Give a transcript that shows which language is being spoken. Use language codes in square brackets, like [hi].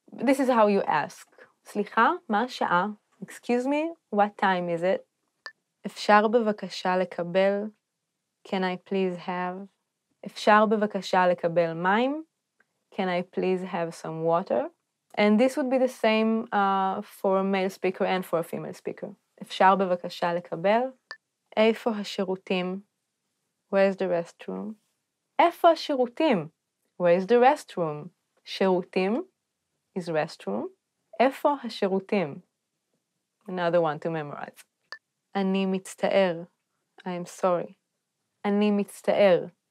[en] This is how you ask. [he] Slicha, ma sha'a? [en] Excuse me, what time is it? [he] אפשר בבקשה לקבל, [en] can I please have? [he] אפשר בבקשה לקבל מים, [en] can I please have some water? And this would be the same for a male speaker and for a female speaker. [he] אפשר בבקשה לקבל, איפה השירותים? [en] Where's the restroom? [he] איפה השירותים? [en] Where's the restroom? שירותים is restroom? [he] איפה השירותים? [en] Another one to memorize. [he] אני מצטער. [en] I am sorry. [he] אני מצטער.